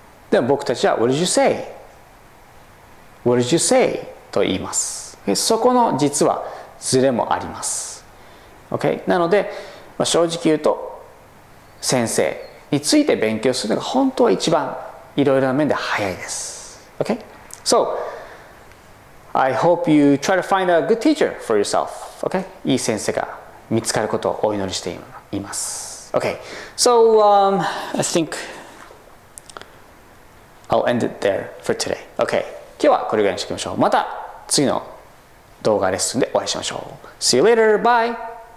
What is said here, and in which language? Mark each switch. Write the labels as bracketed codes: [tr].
[ja] でも僕たちは What did you say? [en] What did you say? と言います。 Okay? [ja] そこの実はズレもあります。 [en] Okay? [ja] なので、まあ、正直言うと先生について勉強するのが本当は一番いろいろな面で早いです。 [en] OK? So, I hope you try to find a good teacher for yourself. OK? [ja] いい先生が見つかることをお祈りしています。 [en] OK? So, I think I'll end it there for today. OK? [ja] 今日はこれぐらいにしておきましょう。また次の動画レッスンでお会いしましょう。 See you later. Bye!